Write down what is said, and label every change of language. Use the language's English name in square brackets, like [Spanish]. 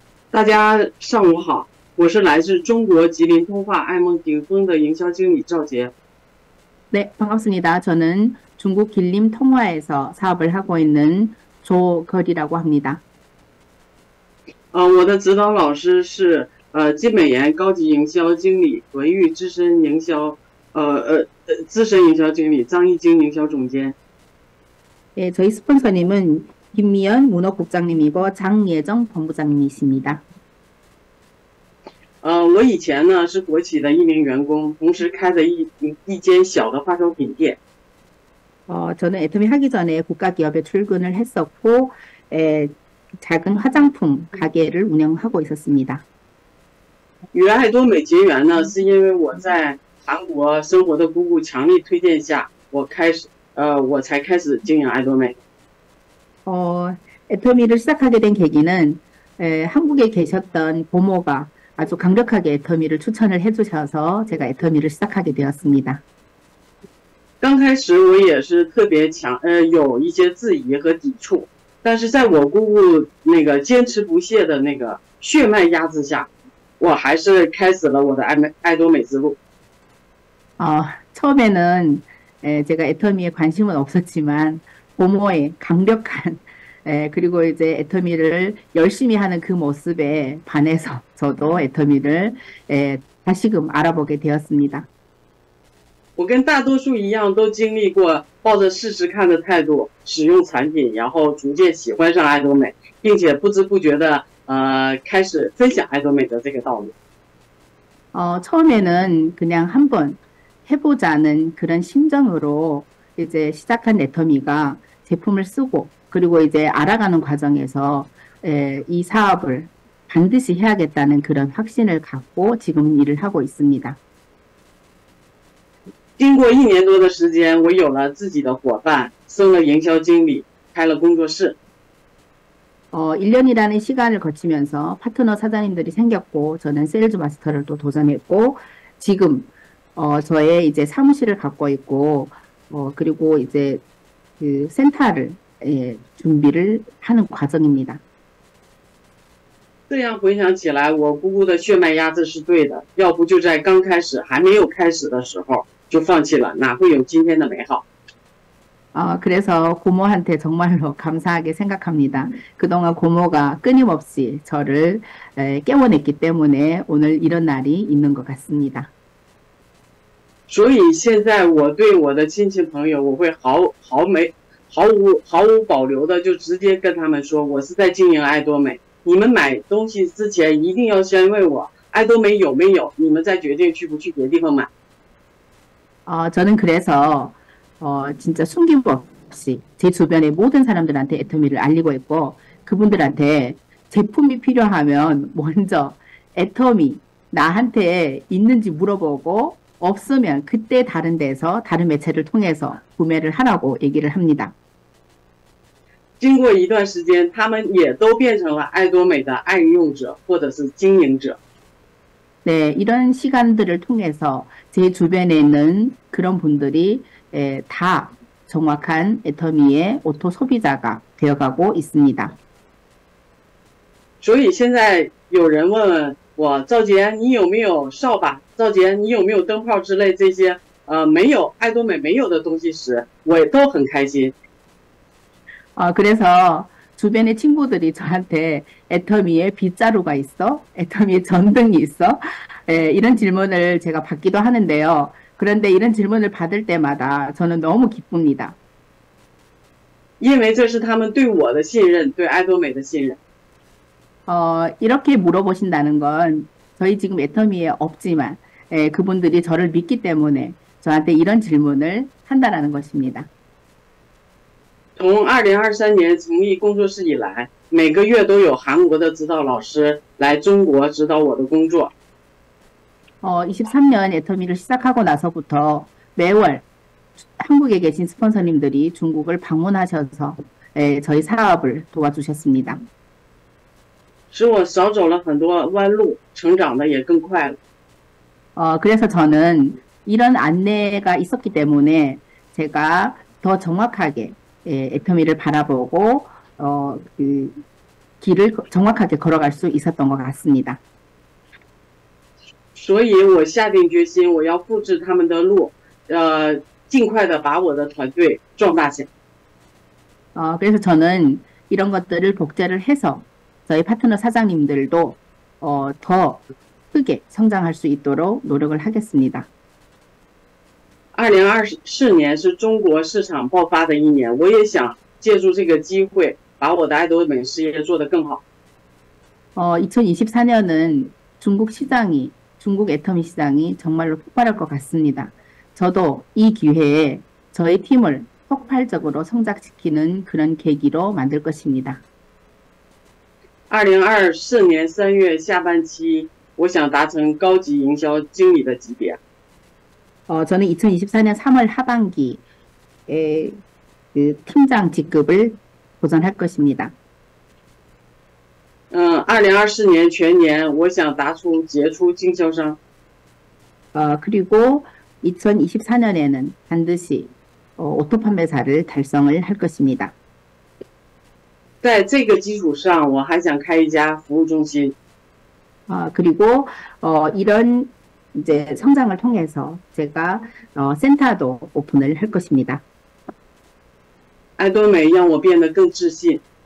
[Chinese] 大家上午好，我是来自中国吉林通话爱梦顶峰的营销经理赵杰。 [Korean] 네 반갑습니다. 저는 중국 길림 통화에서 사업을 하고 있는 조걸이라고 합니다. [Chinese] 我的指导老师是金美妍高级营销经理，文玉资深营销，资深营销经理张艺京营销总监。 [Korean] 네, 저희 스폰서님은 김미연 문화국장님이고 장예정 본부장님이십니다. [Chinese] 我以前呢是国企的一名员工，同时开着一间小的化妆品店。 [Korean] 저는 애터미 하기 전에 국가 기업에 출근을 했었고, 작은 화장품 가게를 운영하고 있었습니다. [Chinese] 原来多美结缘呢，是因为我在韩国生活的姑姑强力推荐下，我才开始经营爱多美。 [Korean] 애터미를 시작하게 된 계기는 한국에 계셨던 고모가 아주 강력하게 애터미를 추천을 해주셔서 제가 애터미를 시작하게 되었습니다. [Chinese] 刚开始我也是特别强，有一些质疑和抵触，但是在我姑姑那个坚持不懈的那个血脉压制下，我还是开始了我的爱多美之路。 [Korean] 처음에는 제가 애터미에 관심은 없었지만 고모의 강력한 그리고 이제 애터미를 열심히 하는 그 모습에 반해서 저도 애터미를 다시금 알아보게 되었습니다. [Chinese] 我跟大多数一样，都经历过抱着试试看的态度使用产品，然后逐渐喜欢上爱多美，并且不知不觉的开始分享爱多美的这个道路。 [Korean] 처음에는 그냥 한번 해보자는 그런 심정으로 이제 시작한 애터미가 제품을 쓰고 그리고 이제 알아가는 과정에서 이 사업을 반드시 해야겠다는 그런 확신을 갖고 지금 일을 하고 있습니다. [Chinese] 经过1年多的时间，我有了自己的伙伴，升了营销经理，开了工作室。 [Korean] 1년이라는 시간을 거치면서 파트너 사장님들이 생겼고 저는 세일즈 마스터를 또 도전했고 지금 저의 이제 사무실을 갖고 있고, 그리고 이제 그 센터를 준비를 하는 과정입니다. [Chinese] 这样回想起来，我姑姑的血脉压制是对的，要不就在刚开始，还没有开始的时候。就放弃了，哪会有今天的美好？ [Korean] 그래서 고모한테 정말로 감사하게 생각합니다. 그동안 고모가 끊임없이 저를 깨워냈기 때문에 오늘 이런 날이 있는 것 같습니다. [Chinese] 所以现在我对我的亲戚朋友，我会毫无保留的就直接跟他们说，我是在经营爱多美。你们买东西之前一定要先问我爱多美有没有，你们再决定去不去别地方买。 [Korean] 저는 그래서 진짜 숨김없이 제 주변의 모든 사람들한테 애터미를 알리고 있고 그분들한테 제품이 필요하면 먼저 애터미 나한테 있는지 물어보고 없으면 그때 다른 데서 다른 매체를 통해서 구매를 하라고 얘기를 합니다. [Chinese] 经过一段时间，他们也都变成了爱多美的爱用者或者是经营者。 [Korean] 네, 이런 시간들을 통해서 제 주변에 있는 그런 분들이 다 정확한 애터미의 오토 소비자가 되어가고 있습니다. [Chinese] 所以现在有人问我赵杰，你有没有扫把？赵杰，你有没有灯泡之类这些？没有，爱多美没有的东西时，我也都很开心。 [Korean] 그래서 주변의 친구들이 저한테 애터미에 빗자루가 있어? 애터미에 전등이 있어? 이런 질문을 제가 받기도 하는데요. 그런데 이런 질문을 받을 때마다 저는 너무 기쁩니다. [Chinese] 因为这是他们对我的信任，对爱多美的信任。 [Korean] 이렇게 물어보신다는 건 저희 지금 애터미에 없지만 그분들이 저를 믿기 때문에 저한테 이런 질문을 한다라는 것입니다. [Chinese] 从2023年成立工作室以来，每个月都有韩国的指导老师来中国指导我的工作。 [Korean] 23년 애터미를 시작하고 나서부터 매월 한국에 계신 스폰서님들이 중국을 방문하셔서 저희 사업을 도와주셨습니다. [Chinese] 使我少走了很多弯路，成长的也更快了。 [Korean] 그래서 저는 이런 안내가 있었기 때문에 제가 더 정확하게 애터미를 바라보고 그 길을 정확하게 걸어갈 수 있었던 것 같습니다. [Chinese] 所以我下定决心，我要复制他们的路，尽快的把我的团队壮大起来。 [Korean] 그래서 저는 이런 것들을 복제를 해서 저희 파트너 사장님들도 더 크게 성장할 수 있도록 노력을 하겠습니다. [Chinese] 2024年是中国市场爆发的一年，我也想借助这个机会，把我的爱多美事业做得更好。 [Korean] 2024년은 중국 시장이, 중국 애터미 시장이 정말로 폭발할 것 같습니다. 저도 이 기회에 저희 팀을 폭발적으로 성장시키는 그런 계기로 만들 것입니다. [Chinese] 2024年3月下半期，我想达成高级营销经理的级别。 [Korean] 저는 2024년 3월 하반기에 그 팀장 직급을 도전할 것입니다. [Chinese] 2024年全年，我想达成杰出经销商。 [Korean] 그리고 2024년에는 반드시 오토 판매사를 달성을 할 것입니다. [Chinese] 在这个基础上，我还想开一家服务中心。 [Korean] 그리고 이런 이제 성장을 통해서 제가 센터도 오픈을 할 것입니다. [Chinese] 爱多美让我变得更自信。